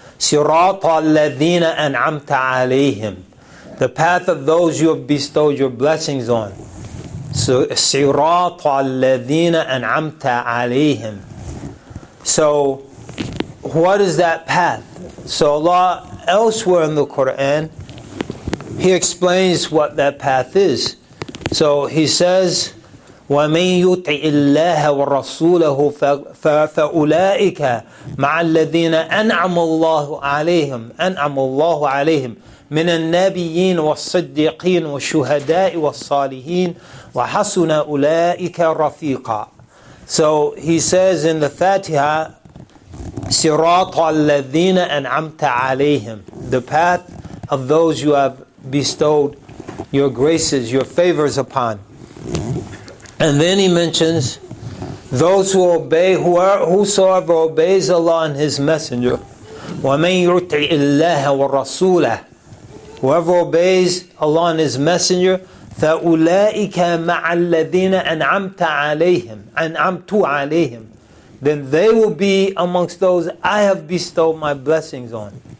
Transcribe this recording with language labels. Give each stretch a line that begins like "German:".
Arabic: صِرَاطَ الَّذِينَ أَنْعَمْتَ عَلَيْهِمْ
English: The path of those you have bestowed your blessings on. So,
Arabic: صِرَاطَ الَّذِينَ أَنْعَمْتَ عَلَيْهِمْ
English: So, what is that path? So Allah, elsewhere in the Qur'an, He explains what that path is. So he says,
Arabic: وَمَنْ يُطِعِ اللَّهَ وَرَسُولَهُ فَأُولَٰئِكَ مَعَ الَّذِينَ أَنْعَمُ اللَّهُ عَلَيْهِمْ أَنْعَمُ اللَّهُ عَلَيْهِمْ مِنَ النَّبِيِّينَ وَالصِّدِّيقِينَ وَالشُّهَدَاءِ وَالصَّالِحِينَ وَحَسُنَ أُولَٰئِكَ رَفِيقًا
English: So he says in the Fatiha,
Arabic: صِرَاطَ الَّذِينَ أَنْعَمْتَ عَلَيْهِمْ
English: The path of those you have bestowed your graces, your favors upon. And then he mentions those who obey, whosoever obeys Allah and His Messenger.
Arabic: وَمَنْ يُرْتِعِ اللَّهَ وَرَسُولَهُ
English: Whoever obeys Allah and His Messenger,
Arabic: فَأُولَٰئِكَ مَعَ الَّذِينَ أَنْعَمْتَ عَلَيْهِمْ أَنْعَمْتُ عَلَيْهِمْ
English: Then they will be amongst those I have bestowed my blessings on.